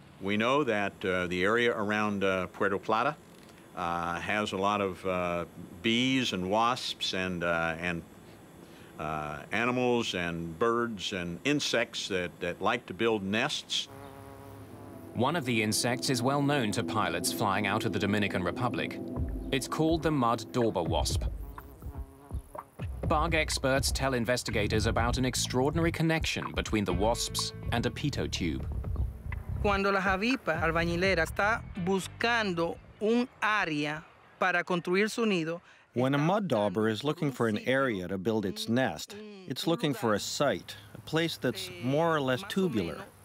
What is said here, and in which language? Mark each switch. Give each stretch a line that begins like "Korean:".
English: We know that the area around Puerto Plata has a lot of bees and wasps and animals and birds and insects that like to build nests. One of the insects is well known to pilots flying out of the Dominican Republic. It's called the mud dauber wasp. Bug experts tell investigators about an extraordinary connection between the wasps and a pitot tube.
Spanish: Cuando la avispa albañilera está buscando un área para construir su nido.
English: When a mud dauber is looking for an area to build its nest, it's looking for a site, a place that's more or less tubular.